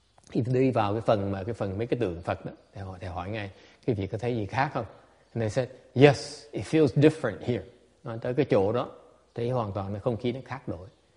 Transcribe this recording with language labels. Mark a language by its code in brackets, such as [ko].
[vi] Thì đi vào cái phần mấy cái tượng Phật đó, thầy hỏi ngay, cái việc có thấy gì khác không? [en] And they said, yes, it feels different here. [vi] Nói tới cái chỗ đó, thấy hoàn toàn là không khí nó khác đổi.